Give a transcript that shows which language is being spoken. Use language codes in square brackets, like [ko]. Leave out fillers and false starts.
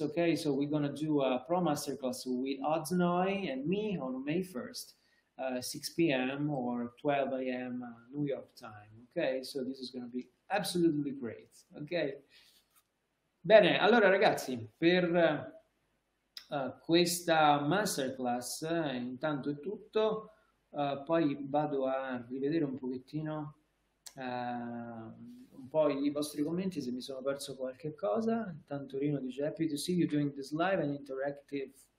[en] Okay, so we're gonna do a Pro Masterclass with Oznoi and me on May 1st, 6 p.m. or 12 a.m. New York time. Okay, so this is gonna be absolutely great. [it] Okay, bene. Allora, ragazzi, per questa masterclass, intanto è tutto. Poi vado a rivedere un pochettino un po' i vostri commenti se mi sono perso qualche cosa. Tantorino dice [en] happy to see you doing this live and interactive.